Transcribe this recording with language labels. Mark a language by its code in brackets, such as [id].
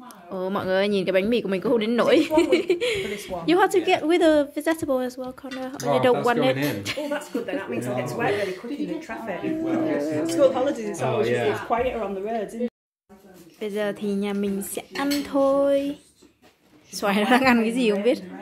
[vi] Ồ, mọi người nhìn cái bánh mì của mình cũng không đến nỗi. [en] You have to get with the vegetable as well, Connor. Oh, you don't want it. Oh, that's good then. That means it gets wet really quickly in the traffic. School holidays is always quieter on the roads, isn't it? [vi] Bây giờ thì nhà mình sẽ ăn thôi. Xoài nó đang ăn cái gì không biết.